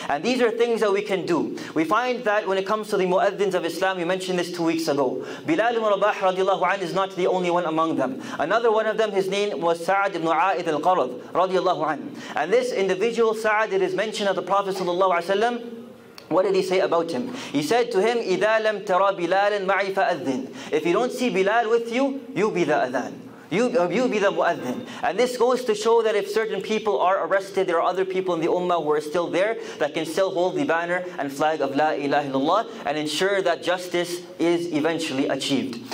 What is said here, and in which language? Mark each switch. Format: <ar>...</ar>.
<en>And these are things that we can do. We find that when it comes to the Mu'addins of Islam, we mentioned this 2 weeks ago. Bilal ibn Rabah radiallahu anhu is not the only one among them. Another one of them, his name was Sa'ad ibn A'id al-Qarad radiallahu anhu. And this individual Sa'ad, it is mentioned of the Prophet sallallahu alayhi wa sallam. What did he say about him? He said to him,</en> <ar>إِذَا لَمْ تَرَى بِلَالًا مَعِي فَأَذِّنْ.</ar> <en>If you don't see Bilal with you, you be the adhan. You be the muadhin. And this goes to show that if certain people are arrested, there are other people in the ummah who are still there that can still hold the banner and flag of La ilaha illallah and ensure that justice is eventually achieved.</en>